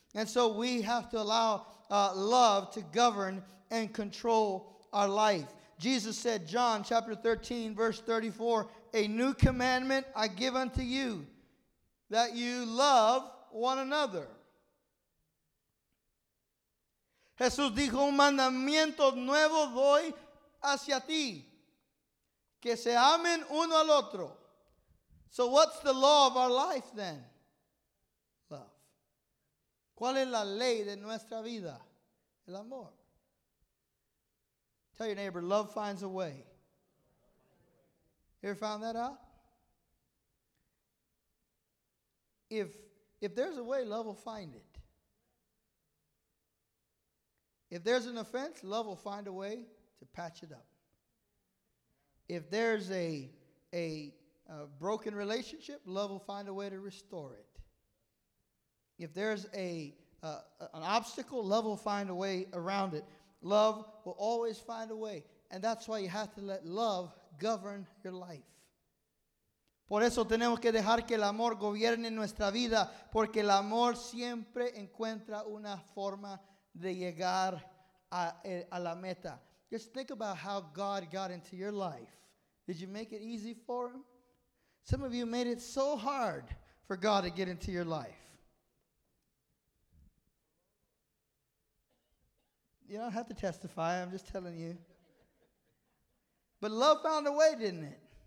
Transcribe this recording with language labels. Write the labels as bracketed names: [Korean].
[English] And so we have to allow love to govern and control our life. Jesus said, John chapter 13, verse 34, a new commandment I give unto you, that you love one another. [Spanish] Jesús dijo, un mandamiento nuevo doy hacia ti. Que se amen uno al otro. [English] So what's the law of our life then? [Spanish] Love. ¿Cuál es la ley de nuestra vida? El amor. [English] Tell your neighbor, love finds a way. You ever found that out? If there's a way, love will find it. If there's an offense, love will find a way to patch it up. If there's a broken relationship, love will find a way to restore it. If there's a an obstacle, love will find a way around it. Love will always find a way. And that's why you have to let love govern your life. [Spanish] Por eso tenemos que dejar que el amor gobierne nuestra vida, porque el amor siempre encuentra una forma de llegar a la meta. [English] Just think about how God got into your life. Did you make it easy for him? Some of you made it so hard for God to get into your life. You don't have to testify, I'm just telling you. But love found a way, didn't it?